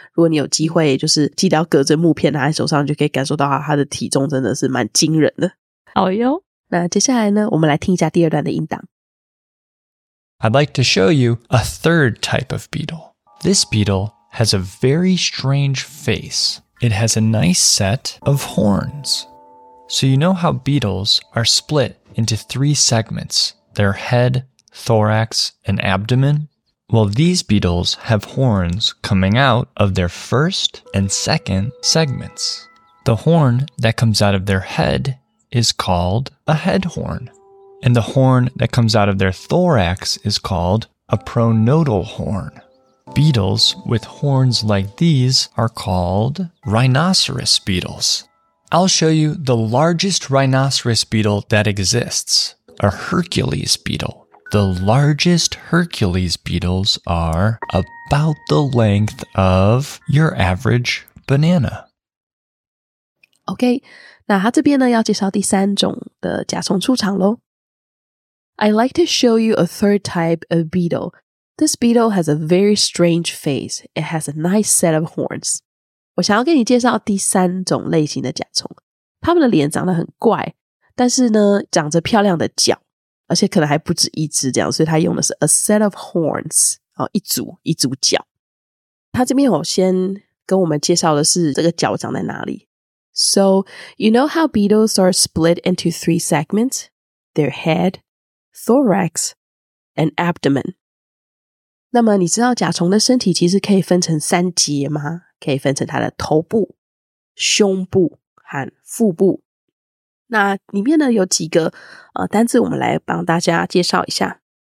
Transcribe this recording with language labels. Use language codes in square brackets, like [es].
[zh] 如果你有机会就是记得要隔着木片拿在手上，就可以感受到它的体重真的是蛮惊人的。好哟，那接下来呢，我们来听一下第二段的音档。 [en] I'd like to show you a third type of beetle. This beetle has a very strange face. It has a nice set of horns. So you know how beetles are split into three segments, their head, thorax, and abdomen? Well, these beetles have horns coming out of their first and second segments. The horn that comes out of their head is called a head horn. And the horn that comes out of their thorax is called a pronotal horn. Beetles with horns like these are called rhinoceros beetles. I'll show you the largest rhinoceros beetle that exists, a Hercules beetle. The largest Hercules beetles are about the length of your average banana. [zh] Okay, 那他这边呢要介绍第三种的甲虫出场咯。 [en] I'd like to show you a third type of beetle. This beetle has a very strange face. It has a nice set of horns. [zh] 我想要给你介绍第三种类型的甲虫。它们的脸长得很怪，但是呢，长着漂亮的脚，而且可能还不止一只这样，所以它用的是 [en] a set of horns, [zh] 一组，一组脚。它这边我先跟我们介绍的是这个脚长在哪里。 [en] So, you know how beetles are split into three segments? Their head,thorax and abdomen. [zh] 那么你知道甲虫的身体其实可以分成三节吗？可以分成它的头部、胸部和腹部。那里面呢有几个单字，我们来帮大家介绍一下。